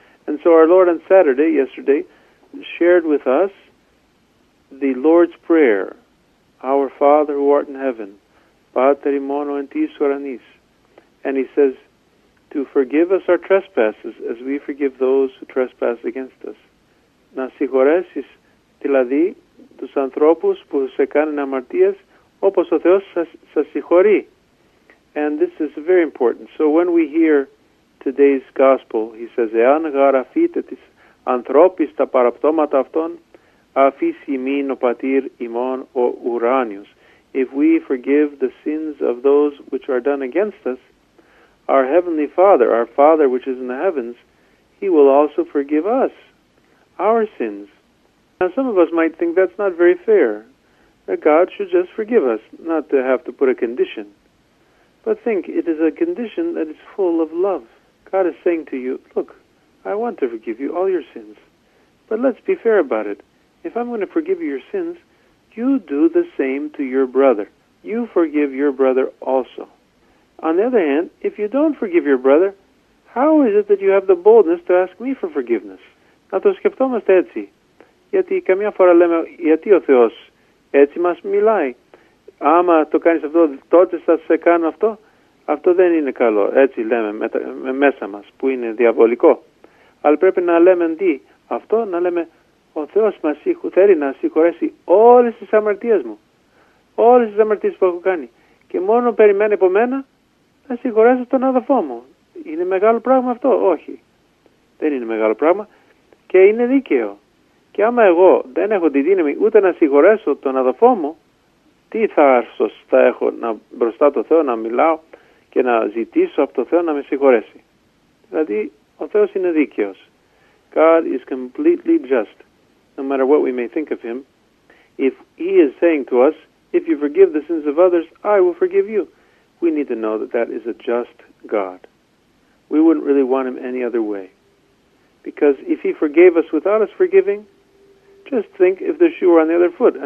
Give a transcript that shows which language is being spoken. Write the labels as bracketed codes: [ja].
[en] And so our Lord on Saturday, yesterday, shared with us the Lord's Prayer, "Our Father who art in heaven, and he says, to forgive us our trespasses as we forgive those who trespass against us. [el] Να συγχωρέσεις, δηλαδή, τους ανθρώπους που σε κάνουν αμαρτίες, όπως ο Θεός σας συγχωρεί." [en] And this is very important. So when we hear today's gospel, he says, [el] εάν γραφείτε τις ανθρώπις τα παραπτώματα αυτών, αφήσει μην ο πατήρ ημών ο ουράνιος. [en] if we forgive the sins of those which are done against us, our Heavenly Father, our Father which is in the heavens, He will also forgive us our sins. Now, some of us might think that's not very fair, that God should just forgive us, not to have to put a condition. But think, it is a condition that is full of love. God is saying to you, look, I want to forgive you all your sins. But let's be fair about it. If I'm going to forgive you your sins, you do the same to your brother. You forgive your brother also. On the other hand, if you don't forgive your brother, how is it that you have the boldness to ask me for forgiveness? [el] Να το σκεφτόμαστε έτσι. Γιατί καμιά φορά λέμε, γιατί ο Θεός έτσι μας μιλάει. Άμα το κάνεις αυτό, τότε θα σε κάνω αυτό. Αυτό δεν είναι καλό. Έτσι λέμε μέσα μας, που είναι διαβολικό. Αλλά πρέπει να λέμε τι αυτό, να λέμε, ο Θεός μας θέλει να συγχωρέσει όλες τις αμαρτίες μου. Όλες τις αμαρτίες που έχω κάνει. Και μόνο περιμένει από μένα να συγχωρέσω τον αδελφό μου. Είναι μεγάλο πράγμα αυτό? Όχι. Δεν είναι μεγάλο πράγμα. Και είναι δίκαιο. Και άμα εγώ δεν έχω τη δύναμη ούτε να συγχωρέσω τον αδελφό μου, τι θάρθος θα έχω να μπροστά το Θεό να μιλάω και να ζητήσω από το Θεό να με συγχωρέσει? Δηλαδή, ο Θεός είναι δίκαιος. [en] God is completely just. No matter what we may think of Him, if He is saying to us, if you forgive the sins of others, I will forgive you, we need to know that that is a just God. We wouldn't really want Him any other way. Because if He forgave us without us forgiving, just think if the shoe were on the other foot.